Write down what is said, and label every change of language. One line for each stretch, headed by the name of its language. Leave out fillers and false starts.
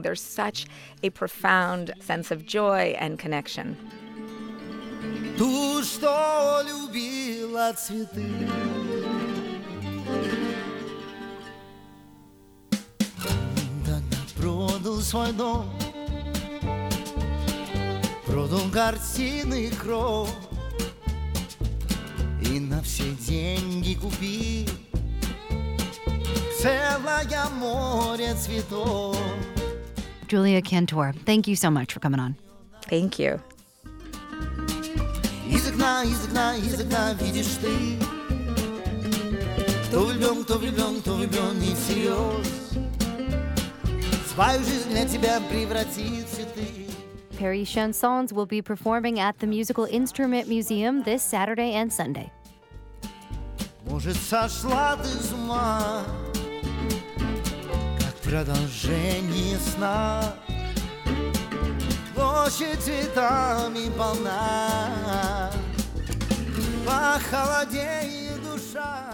English: There's such a profound sense of joy and connection.
Russian: И на все деньги купи целое море цветов.
English: Julia Cantor, thank you so much for coming on. Thank you.
Russian: Из окна, из окна, из окна видишь ты, кто влюблен, кто влюблен, кто влюблен и всерьез. Свою жизнь для тебя превратит цветы.
English: Perry Chansons will be performing at the Musical Instrument Museum this Saturday and Sunday.
Russian: Может, сошла ты с ума, как продолжение сна, площадь цветами полна, похолодеет душа.